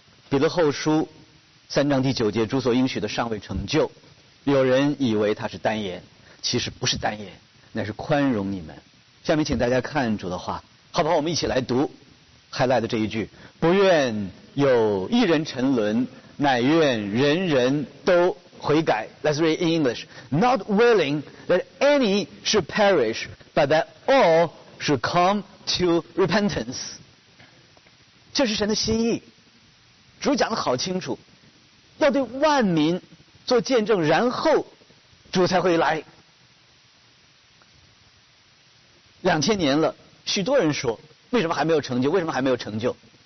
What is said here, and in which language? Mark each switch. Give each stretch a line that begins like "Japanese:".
Chinese: 彼得后书3章第9节，主所应许的尚未成就，有人以为他是单言，其实不是单言，乃是宽容你们。下面请大家看主的话，好不好？我们一起来读还赖的这一句，不愿有一人沉沦，乃愿人人都悔改。
English: Let's read in English. Not willing that any should perish, but that all should come to repentance.
Chinese: 这是神的心意，主讲得好清楚，要对万民做见证，然后主才会来。 2000年了，许多人说为什么还没有成就？为什么还没有成就？